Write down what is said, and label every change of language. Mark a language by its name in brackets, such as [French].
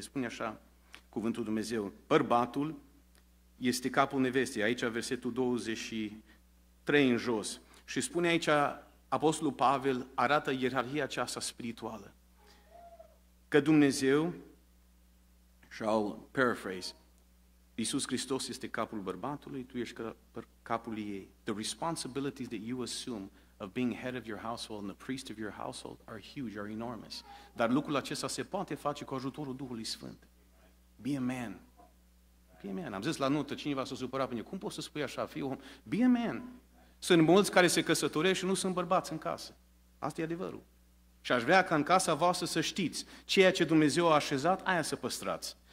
[Romanian] Spune așa cuvântul Dumnezeu, bărbatul este capul nevestei, aici versetul 23 în jos. Și spune aici, Apostolul Pavel arată ierarhia aceasta spirituală. Că Dumnezeu, și [English] I'll paraphrase, [Romanian] Iisus Hristos este capul bărbatului, tu ești capul ei. [English] The responsibilities that you assume of being head of your household and the priest of your household are huge, are enormous. [Romanian] Dar lucrul acesta se poate face cu ajutorul Duhului Sfânt. [English] Be a man. Be a man. [Romanian] Am zis la notă, cineva s-a supărat pe mine. Cum poți să spui așa? Fii om. Be a man. Sunt mulți care se căsătoresc și nu sunt bărbați în casă. Asta e adevărul. Și aș vrea ca în casa voastră să știți ceea ce Dumnezeu a așezat, aia să păstrați.